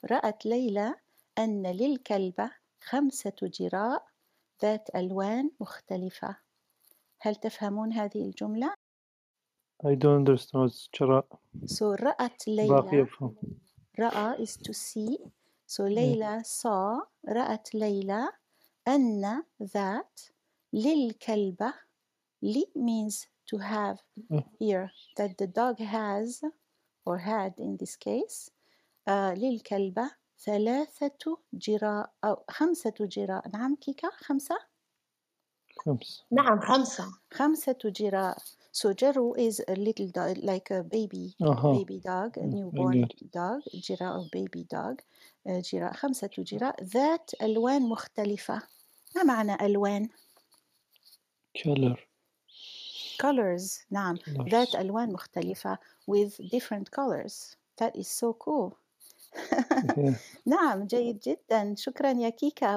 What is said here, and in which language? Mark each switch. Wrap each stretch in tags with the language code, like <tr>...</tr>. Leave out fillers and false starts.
<ar>رأت ليلى أن للكلب 5 جراء ذات ألوان مختلفة. هل تفهمون هذه الجملة؟</ar> <en>I don't understand جراء.</en> <ar>So رأت ليلى.</ar> <en>رأى is to see. So ليلى saw.</en> <ar>رأت ليلى أن that للكلبة.</ar> <en>لي means to have here. That the dog has or had in this case.</en> <ar>للكلبة 3 جراء أو 5 جراء. نعم كيكا 5؟ نعم 5.</ar> <en>5 جراء. So جرو is a little dog, like a baby, baby dog, a newborn dog. جراء of baby dog.</en> <ar>جراء 5 جراء ذات ألوان مختلفة. ما معنى ألوان؟</ar> <en>color. colors. نعم.</en> <ar>ذات ألوان مختلفة</ar> <en>with different colors. That is so cool.</en> <ar>نعم جيد جدا. شكرا يا كيكا.</ar>